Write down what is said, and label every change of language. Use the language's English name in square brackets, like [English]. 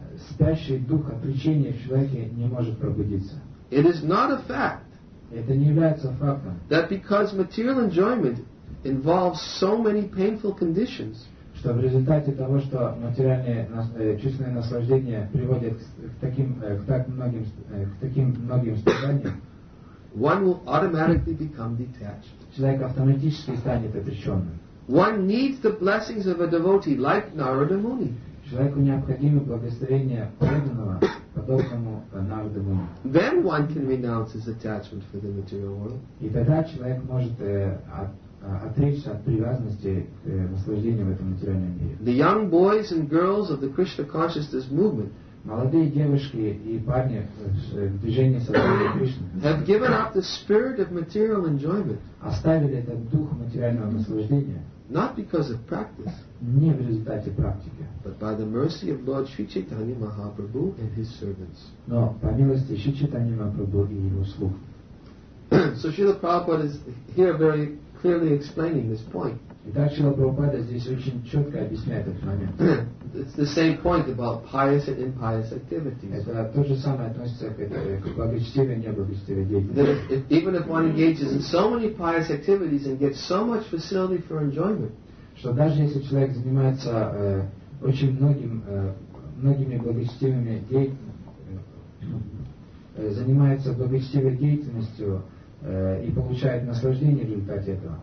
[Russian] Спящий дух отречения в человеке не может пробудиться. [English] It is not a fact, [Russian] это не является фактом, [English] that because material enjoyment involves so many painful conditions, [Russian] что в результате того, что материальное чувственное наслаждение приводит к таким многим страданиям, [English] one will automatically become detached. [Russian] Человек автоматически станет отреченным. [English] One needs the blessings of a devotee like Narada Muni. [Russian] Человеку необходимо благословение преданного, подобному Нараду Муни. [English] Then one can renounce his attachment for the material world. [Russian] И тогда человек может отречься от привязанности к наслаждению в этом материальном мире. [English] The young boys and girls of the Krishna consciousness movement, [Russian] молодые девушки и парни в движении сознания Кришны, [English] have given up the spirit of material enjoyment, [Russian] оставили этот дух материального наслаждения, [English] not because of practice, [Russian] не в результате практики, [English] but by the mercy of Lord Sri Chaitanya Mahaprabhu and his servants. [Russian] Но по милости Шри Чайтаньи Махапрабху и его слуг. [English] So Srila Prabhupada is here very clearly explaining this point. [Russian] Итак, Шрила Прабхупада здесь очень четко объясняет этот момент. [English] It's the same point about pious and impious activities. [Russian] Это то же самое относится к благочестивой и неблагочестивой деятельности. [English] Even if one engages in so many pious activities and gets so much facility for enjoyment, [Russian] что даже если человек занимается очень многими благочестивыми деятельностями, занимается благочестивой деятельностью и получает наслаждение в результате этого,